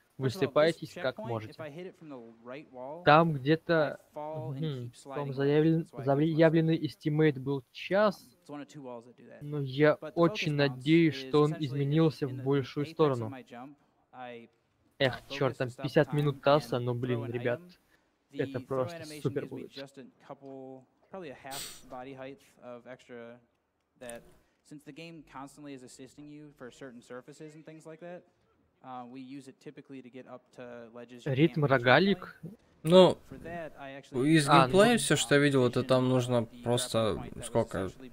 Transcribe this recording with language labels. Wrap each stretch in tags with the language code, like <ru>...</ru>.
<ru>Высыпайтесь как можете. Там где-то, там заявленный эстимейт был час, но я очень надеюсь, что он изменился в большую сторону. Эх, черт, там 50 минут таса, но, блин, ребят, это просто супер будет.</ru> <en>Probably a half body height of extra that Since the game constantly is assisting you for certain surfaces and things like that, we use it typically to get up to ledges.</en> <ru>Ритм рогалик. Ну, из геймплея все, что я видел, это там нужно просто сколько?</ru>